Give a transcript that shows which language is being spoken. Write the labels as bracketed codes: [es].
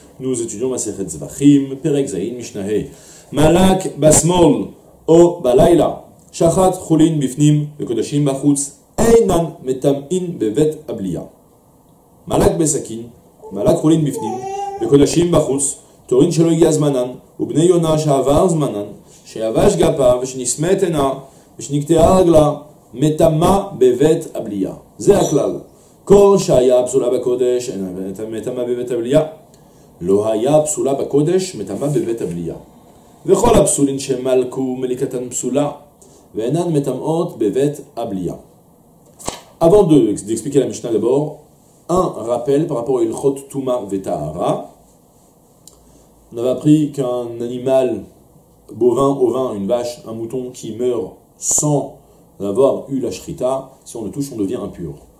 [fr] Nous étudions [he] Maseret Zvachim, Perek Zain, Mishnahe, Malak Basmol, O Balaila, Shachat Chulin Bifnim, Bekodashim Bachutz, Einan Metam In Bevet Abliya, Malak Besakin, מלאק חולין בפנים, וקודשים בחוץ, תורין שלא הגיע זמנן, ובני יונה שעבר זמנן, שיבש גפה ושנשמת עינה, ושנקטעה רגלה, מטמא בבית הבליה. זה הכלל. כל שהיה פסולה בקודש, אינה מטמא בבית הבליה. לא היה פסולה בקודש, מטמא בבית הבליה. וכל הפסולין שמלקו מליקתן פסולה, ואינן מטמאות בבית הבליה. [fr] Avant d'expliquer la Mishnah d'abord, un rappel par rapport à Ilchot Touma Vetahara. On avait appris qu'un animal bovin, ovin, une vache, un mouton qui meurt sans avoir eu la shrita, si on le touche, on devient impur.